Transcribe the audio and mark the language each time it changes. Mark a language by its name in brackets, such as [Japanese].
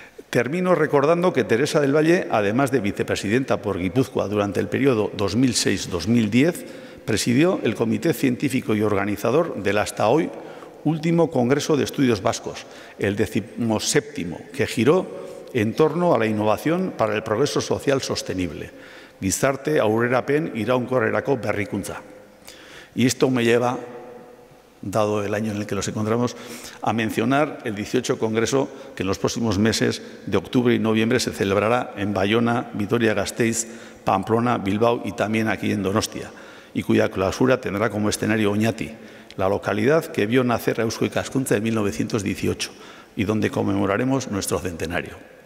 [Spanish] Termino recordando que Teresa del Valle, además de vicepresidenta por Guipúzcoa durante el periodo 2006-2010, presidió el Comité Científico y Organizador del hasta hoy último Congreso de Estudios Vascos, el 17º, que giró en torno a la innovación para el progreso social sostenible. [Basque] Gizarte aurrerapen iraunkorrerako berrikuntza. [Spanish] Y esto me lleva, dado el año en el que nos encontramos, a mencionar el 18 Congreso que en los próximos meses de octubre y noviembre se celebrará en Bayona, Vitoria-Gasteiz, Pamplona, Bilbao y también aquí en Donostia, y cuya clausura tendrá como escenario Oñati, la localidad que vio nacer a Eusko Ikaskuntza en 1918 y donde conmemoraremos nuestro centenario.